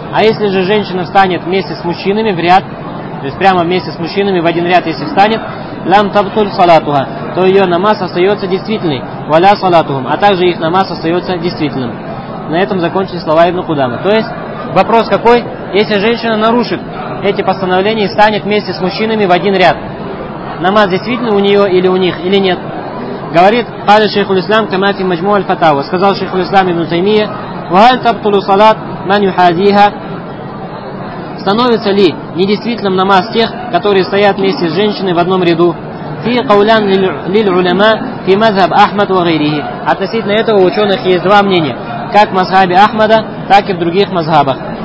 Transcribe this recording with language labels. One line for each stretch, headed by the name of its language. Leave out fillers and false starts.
Russian: А если же женщина встанет вместе с мужчинами в ряд, то есть прямо вместе с мужчинами в один ряд, если встанет,
Arabic: «Лам табтуль салатуха»,
Russian: то ее намаз остается действительной,
Arabic: «Валя салатухум»,
Russian: а также их намаз остается действительным. На этом закончились слова ибн Кудама. То есть вопрос какой? Если женщина нарушит эти постановления и встанет вместе с мужчинами в один ряд, намаз действительно у нее или у них, или нет? Говорит,
Arabic: قَالَ شَيْخُ الْإِسْلَامِ كَمَا فِي مَجْمُوعِ الْفَتَاوَى.
Russian: Сказал шейху ислам
Arabic: ибн Таймия, وَهَلْ تَبْطُلُ صَلَاتْ مَنْ يُحَادِيهَا.
Russian: Становится ли недействительным намаз тех, которые стоят вместе с женщиной в одном ряду?
Arabic: فِي قَوْلًا لِلْعُلَمَا فِي مَذْهَبْ أَحْمَدْ وَغَيْرِهِ.
Russian: Относительно этого у ученых есть два мнения, как в мазхабе Ахмада, так и в других мазхабах.